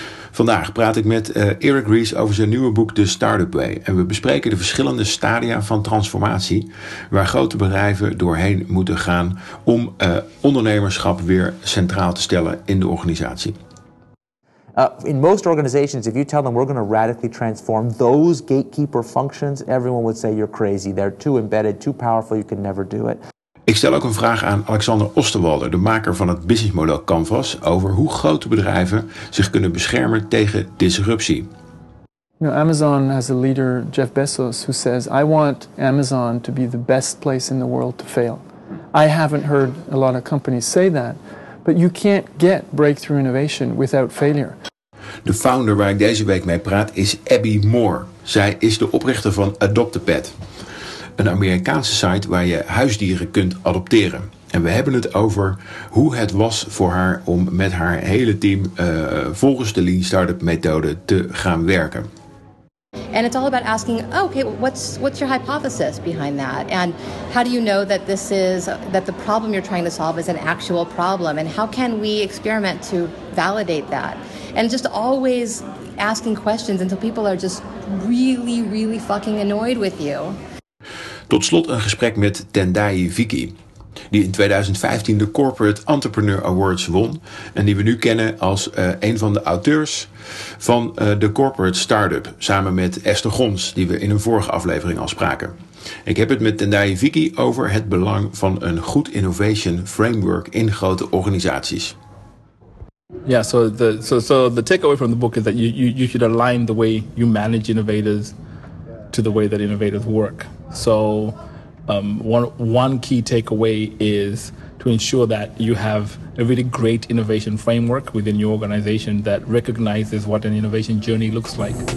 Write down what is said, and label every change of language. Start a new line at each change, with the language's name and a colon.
Dutch: Vandaag praat ik met Eric Ries over zijn nieuwe boek The Startup Way. En we bespreken de verschillende stadia van transformatie waar grote bedrijven doorheen moeten gaan om ondernemerschap weer centraal te stellen in de organisatie.
English: In most organizations, if you tell them we're going to radically transform those gatekeeper functions, everyone would say you're crazy. They're too embedded, too powerful, you can never do it.
Dutch: Ik stel ook een vraag aan Alexander Osterwalder, de maker van het business model Canvas, over hoe grote bedrijven zich kunnen beschermen tegen disruptie.
English: You know, Amazon has a leader, Jeff Bezos, who says, I want Amazon to be the best place in the world to fail. I haven't heard a lot of companies say that. But you can't get breakthrough innovation without failure.
Dutch: De founder waar ik deze week mee praat is Abby Moore. Zij is de oprichter van Adopt-A-Pet. Een Amerikaanse site waar je huisdieren kunt adopteren. En we hebben het over hoe het was voor haar om met haar hele team volgens de Lean Startup methode te gaan werken.
English: And it's all about asking, okay, what's your hypothesis behind that? And how do you know that this is that the problem you're trying to solve is an actual problem? And how can we experiment to validate that? And just always asking questions until people are just really, really fucking annoyed with you.
Dutch: Tot slot een gesprek met Tendai Vicky, die in 2015 de Corporate Entrepreneur Awards won en die we nu kennen als een van de auteurs van de Corporate Startup, samen met Esther Gons, die we in een vorige aflevering al spraken. Ik heb het met Tendai Vicky over het belang van een goed innovation framework in grote organisaties.
English: Yeah, so the takeaway from the book is that you should align the way you manage innovators to the way that innovators work. So one key takeaway is to ensure that you have a really great innovation framework within your organization that recognizes what an innovation journey looks like.